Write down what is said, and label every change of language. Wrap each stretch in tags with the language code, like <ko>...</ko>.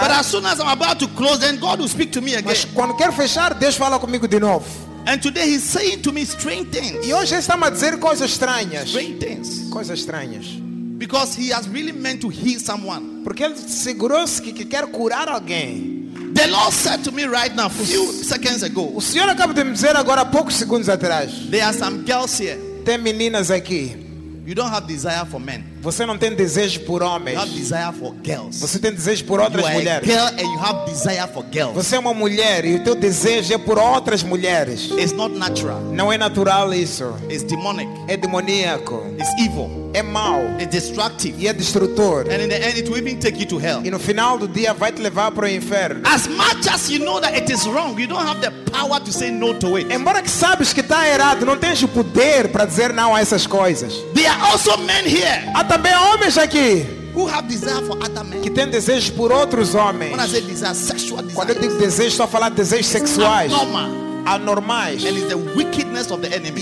<en>But as soon as I'm about to close, then God will speak to me again.</en> <pt>Mas quando quero fechar, Deus fala comigo de novo.</pt> <en>And today He's saying to me strange things.</en> <pt>E hoje está a dizer coisas estranhas.</pt> <en>Strange things.</en> <pt>Coisas estranhas.</pt> <en>Because He has really meant to heal someone.</en> <pt>Porque Ele segurou-se que quer curar alguém.</pt> <en>The Lord said to me right now, few seconds ago.</en> <pt>O Senhor acaba de me dizer agora, poucos segundos atrás.</pt> <en>There are some girls here.</en> <pt>Tem meninas aqui.</pt> <en>You don't have desire for men.</en> <pt>Você não tem desejo por homens.</pt> <en>You have desire for girls.</en> <pt>Você tem desejo por outras</pt> <en>you are</en> <pt>mulheres.</pt> <en>A girl and you have desire for girls.</en> <pt>Você é uma mulher e o teu desejo é por outras mulheres.</pt> <en>It's not natural.</en> <pt>Não é natural isso.</pt> <en>It's demonic.</en> <pt>É demoníaco.</pt> <en>It's evil.</en> <pt>É mau.</pt> <en>It's destructive.</en> <pt>E é destrutor.</pt> <en>And in the end, it will even take you to hell.</en> <pt>E no final do dia vai te levar para o inferno.</pt> <en>As much as you know that it is wrong, you don't have the power to say no to it.</en> <pt>Embora que sabes que está errado, não tens o poder para dizer não a essas coisas.</pt> <en>There are also men here.</en> <pt>Há também homens aqui.</pt> <en>Who have desire for other men?</en> <pt>Que têm desejos por outros homens.</pt> <en>When I say desire, sexual desire.</en> <pt>Quando eu digo desejo, estou a falar de desejos sexuais. Anormais.</pt> <en>And it's the wickedness of the enemy.</en>